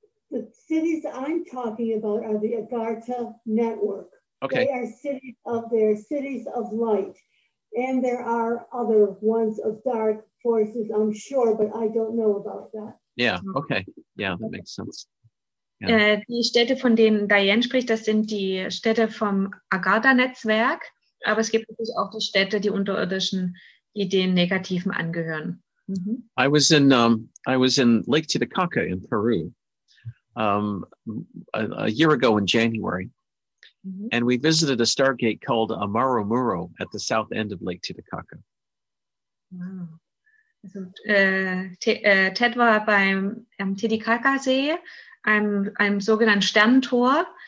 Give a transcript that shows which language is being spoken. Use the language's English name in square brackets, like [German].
[English] The cities I'm talking about are the Agartha Network. Okay. They are cities of light. And there are other ones of dark forces, I'm sure, but I don't know about that. Yeah, okay. Yeah, that makes sense. Yeah. [German] Die Städte, von denen Diane spricht, das sind die Städte vom Agartha-Netzwerk. Aber es gibt natürlich auch die Städte, die unterirdischen, die den Negativen angehören. [English] Mm-hmm. I was in Lake Titicaca in Peru. a year ago in January. Mm-hmm. And we visited a stargate called Amaromuro at the south end of Lake Titicaca. Wow. [German] Also, Ted war beim Titicaca-See, einem sogenannten Sternentor.